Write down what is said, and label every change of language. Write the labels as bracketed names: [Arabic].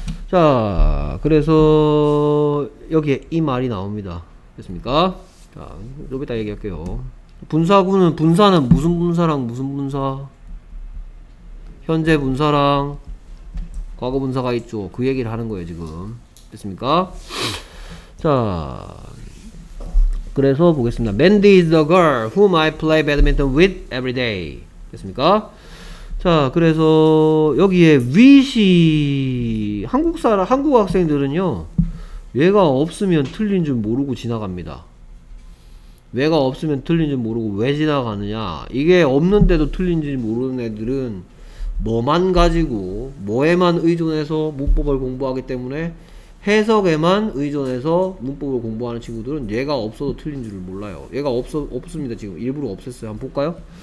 [Korean] 자 그래서 여기에 이 말이 나옵니다. 됐습니까? 자 좀 이따 얘기할게요. 분사구는 분사는 무슨 분사랑 무슨 분사? 현재 분사랑 과거 분사가 있죠. 그 얘기를 하는 거예요 지금. 됐습니까? 자, 그래서 보겠습니다. [English] Mandy is the girl whom I play badminton with every day. [Korean] 됐습니까? 자, 그래서 여기에 with이 한국 사람, 한국 학생들은요, 얘가 없으면 틀린 줄 모르고 지나갑니다. 왜가 없으면 틀린지 모르고 왜 지나가느냐, 이게 없는데도 틀린지 모르는 애들은 뭐만 가지고 뭐에만 의존해서 문법을 공부하기 때문에 해석에만 의존해서 문법을 공부하는 친구들은 얘가 없어도 틀린 줄을 몰라요. 얘가 없습니다. 지금 일부러 없앴어요. 한번 볼까요?